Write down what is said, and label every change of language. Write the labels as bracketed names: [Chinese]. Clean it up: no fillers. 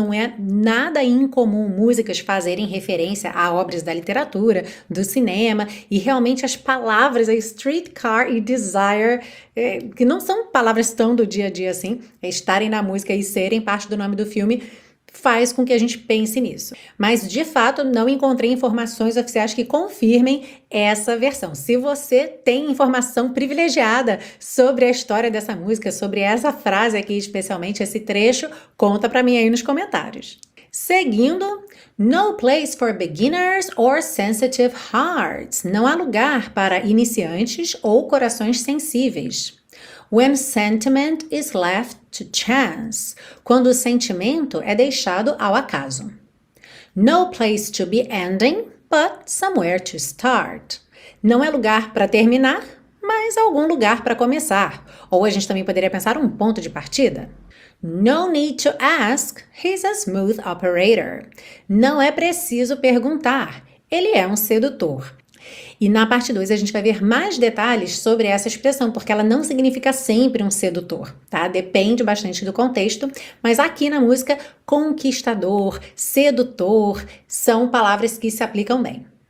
[Portuguese] Não é nada incomum músicas fazerem referência a obras da literatura, do cinema, e realmente as palavras aí, streetcar e desire, que não são palavras tão do dia a dia assim, estarem na música e serem parte do nome do filme, faz com que a gente pense nisso. Mas, de fato, não encontrei informações oficiais que confirmem essa versão. Se você tem informação privilegiada sobre a história dessa música, sobre essa frase aqui, especialmente esse trecho, conta pra mim aí nos comentários. Seguindo, [English] no place for beginners or sensitive hearts. [Portuguese] Não há lugar para iniciantes ou corações sensíveis. [English] When sentiment is left to chance, [Portuguese] quando o sentimento é deixado ao acaso. [English] No place to be ending, but somewhere to start. [Portuguese] Não é lugar para terminar, mas algum lugar para começar. Ou a gente também poderia pensar um ponto de partida. [English] No need to ask, he's a smooth operator. [Portuguese] Não é preciso perguntar, ele é um sedutor. E na parte 2 a gente vai ver mais detalhes sobre essa expressão, porque ela não significa sempre um sedutor, tá? Depende bastante do contexto, mas aqui na música, conquistador, sedutor, são palavras que se aplicam bem.